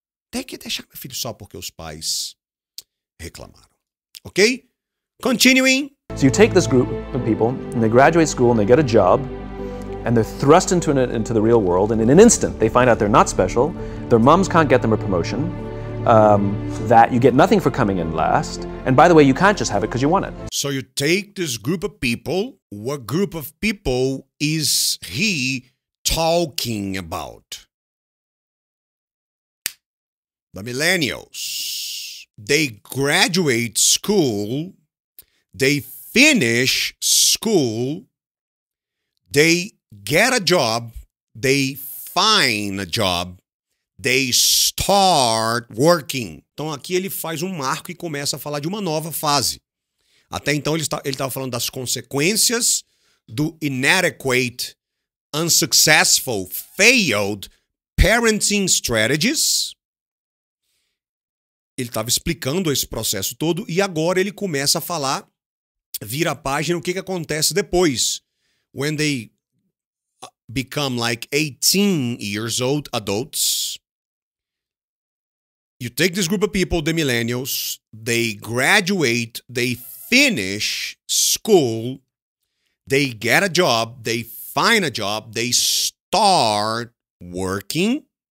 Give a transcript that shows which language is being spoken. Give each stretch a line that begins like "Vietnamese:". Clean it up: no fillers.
Portuguese: Tem que deixar meu filho só porque os pais reclamaram.
English: Ok? Continuing. So you take this group of people, and they graduate school, and they get a job, and they're thrust into the real world, and in an instant, they find out they're not special, their moms can't get them a promotion, that you get nothing for coming in last, and by the way, you can't just have it because you want it. So you take this group of people. What group of people is he talking about? The millennials. They graduate school, they finish school, they get a job, they find a job, they start working.
Portuguese: Então aqui ele faz um marco e começa a falar de uma nova fase. Até então ele estava falando das consequências do
English: inadequate, unsuccessful, failed parenting strategies.
Portuguese: Ele estava explicando esse processo todo e agora ele começa a falar, vira a página, o que acontece depois.
English: When they become like 18 years old adults, you take this group of people, the millennials, they graduate, they finish school, they get a job, they find a job, they start working.